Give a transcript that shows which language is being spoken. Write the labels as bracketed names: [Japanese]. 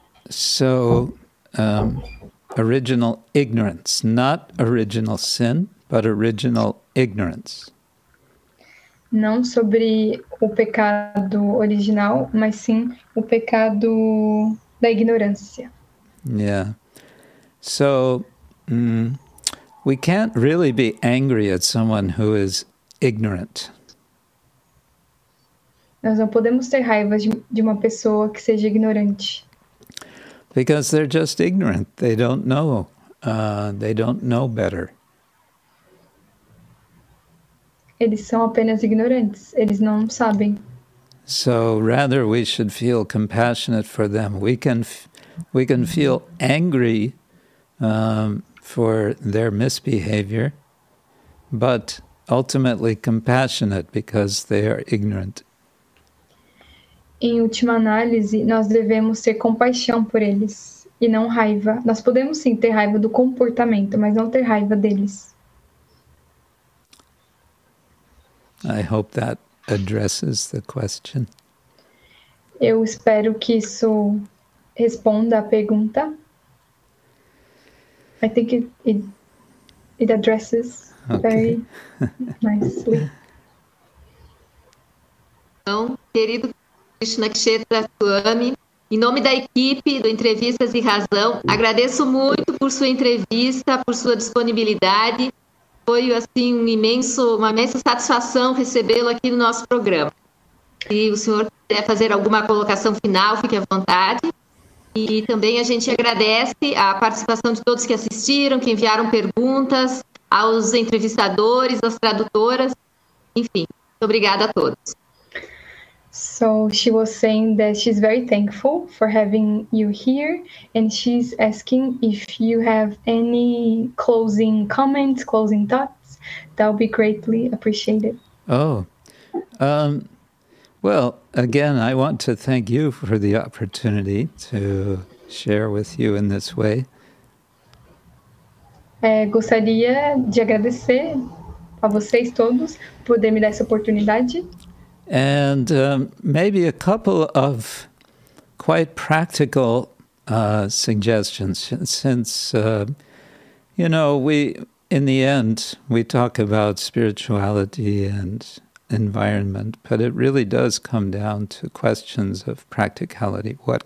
[English] So, original ignorance, not original sin, but original ignorance. [Portuguese] Não sobre o pecado original, mas sim o pecado da ignorância. [English] Yeah. So, we can't really be angry at someone who is ignorant. [Portuguese] Nós não podemos ter raiva de de uma pessoa que seja ignorante. [English] Because they're just ignorant. They don't know. They don't know better. [Portuguese] Eles são apenas ignorantes. Eles não sabem. [English] So rather we should feel compassionate for them. We can feel angry for their misbehavior, but ultimately compassionate because they are ignorant. [Portuguese] Em última análise, nós devemos ter compaixão por eles e não raiva. Nós podemos sim ter raiva do comportamento, mas não ter raiva deles. [English] I hope that addresses the question. [Portuguese] Eu espero que isso responda a pergunta. [English] I think it addresses very nicely. [Portuguese] Então, querido Krishna Kshetra Swami, em nome da equipe do Entrevistas e Razão, agradeço muito por sua entrevista, por sua disponibilidade. Foi, assim, uma imensa satisfação recebê-lo aqui no nosso programa. Se o senhor quiser fazer alguma colocação final, fique à vontade. E também a gente agradece a participação de todos que assistiram, que enviaram perguntas, aos entrevistadores, às tradutoras. Enfim, muito obrigada a todos. [English] So she was saying that she's very thankful for having you here, and she's asking if you have any closing comments, closing thoughts, that would be greatly appreciated. Oh, well, again, I want to thank you for the opportunity to share with you in this way. [Portuguese] Gostaria de agradecer a vocês todos por poder me dar essa oportunidade. [English] And maybe a couple of quite practical suggestions, since, you know, in the end, we talk about spirituality and environment, but it really does come down to questions of practicality.